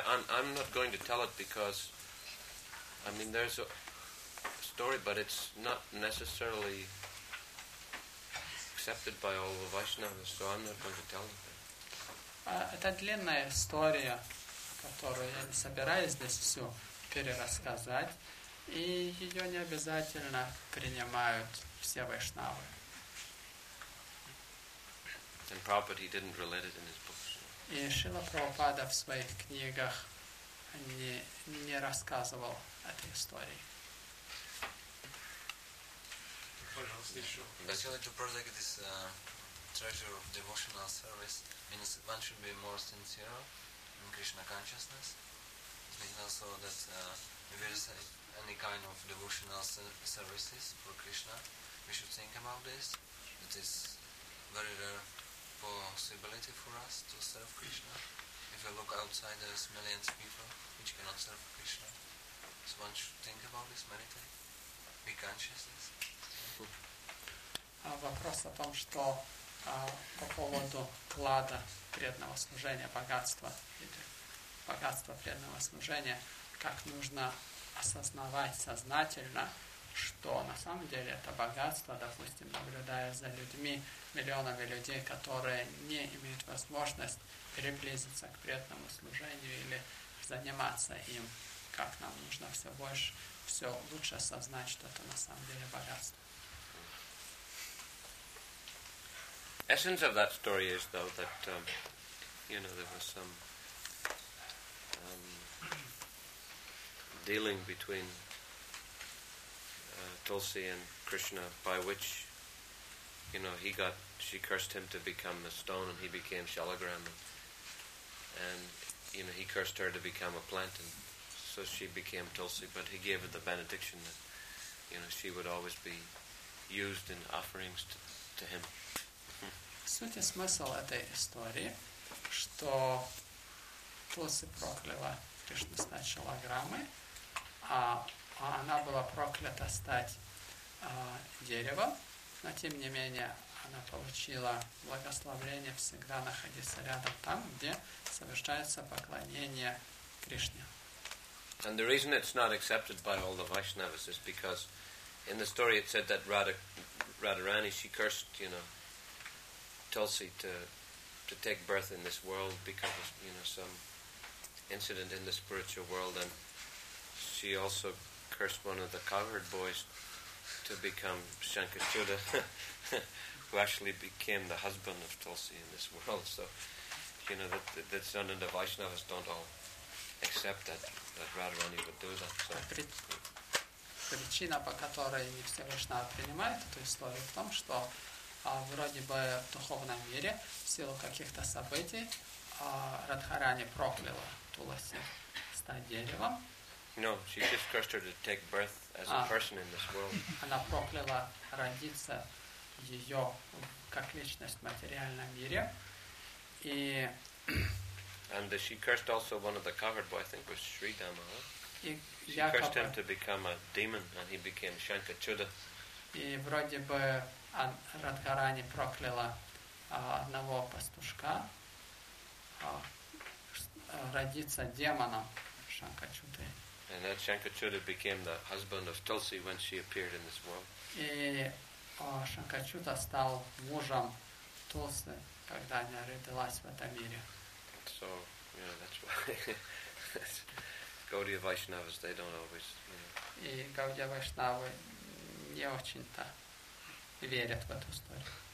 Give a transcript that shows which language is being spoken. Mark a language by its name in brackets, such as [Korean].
[English] I'm not going to tell it because, I mean, there's a story, but it's not necessarily accepted by all the Vaishnavas, so I'm not going to tell it. [Russian] Это длинная история, которую я не собираюсь здесь всю перерассказать, и ее не обязательно принимают все Вайшнавы. [English] And Prabhupada, he didn't relate it in his books. [Russian] И Шрила Прабхупада в своих книгах не рассказывал этой истории. Пожалуйста, еще. Если [English] to protect this treasure of devotional service, means one should be more sincere in Krishna consciousness. It means also that if there is any kind of devotional services for Krishna, we should think about this. It is very rare possibility for us to serve Krishna. If you look outside, there's millions of people which cannot serve Krishna. So one should think about this, meditate, be conscious. [Russian] Вопрос о том, что по поводу вклада преданного служения, богатства или богатства преданного служения, как нужно осознавать сознательно, что на самом деле это богатство, допустим, наблюдая за людьми, миллионами людей, которые не имеют возможность приблизиться к преданному служению или заниматься им, как нам нужно все больше, все лучше осознать, что это на самом деле богатство. [English] Essence of that story is, though, that you know, there was some dealing between Tulsi and Krishna, by which, you know, he got, she cursed him to become a stone, and he became Shalagram, and you know, he cursed her to become a plant, and so she became Tulsi. But he gave her the benediction that, you know, she would always be used in offerings to him. [Russian] Суть и смысл этой истории, что Тулси прокляла Кришну стать шалограммой, а она была проклята стать деревом, но тем не менее она получила благословение всегда находиться рядом там, где совершается поклонение Кришне. [English] And the reason it's not accepted by all the Vaishnavas is because in the story it said that Radharani, she cursed, you know, Tulsi to take birth in this world because of, you know, some incident in the spiritual world, and she also cursed one of the cowherd boys to become Shankarachuda who actually became the husband of Tulsi in this world. So, you know, that Sun and the Vaishnavas don't all accept that Radharani would do that. So. [Russian] Причина, по которой не все Вайшнавы принимают эту историю, в том, что вроде бы в духовном мире, в силу каких-то событий, Радхарани прокляла Туласи стать деревом. [English] No, she just cursed her to take birth as a person in this world. [Russian] Она прокляла родиться ее как личность в материальном мире. И... [English] And she cursed also one of the covered boys, I think it was Sri Dhamma, huh? She cursed him to become a demon, and he became Shankachuda. [Russian] И вроде бы Радхарани прокляла одного пастушка родиться демоном Шанкачуды. [English] And that Shankachuda became the husband of Tulsi when she appeared in this world. [Russian] И Шанкачуда стал мужем Тулси, когда она родилась в этом мире. [English] So, you know, that's why. Gaudiya Vaishnavas, they don't always, [Russian] И Гаудия Вайшнавы не очень-то верят в эту историю.